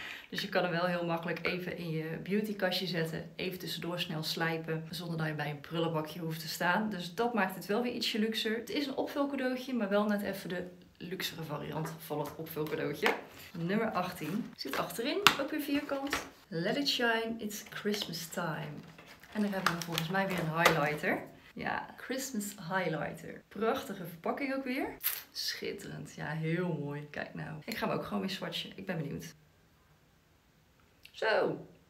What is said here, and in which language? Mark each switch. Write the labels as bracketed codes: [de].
[nl] Dus je kan hem wel heel makkelijk even in je beautykastje zetten. Even tussendoor snel slijpen. Zonder dat je bij een prullenbakje hoeft te staan. Dus dat maakt het wel weer ietsje luxer. Het is een opvulcadeautje, maar wel net even de luxere variant van het opvulcadeautje. Nummer 18 zit achterin, ook weer vierkant. [en] Let it shine, it's Christmas time. [nl] En dan hebben we volgens mij weer een highlighter. Ja, Christmas highlighter. Prachtige verpakking ook weer. Schitterend, ja, heel mooi. Kijk nou. Ik ga hem ook gewoon weer swatchen. Ik ben benieuwd. Zo.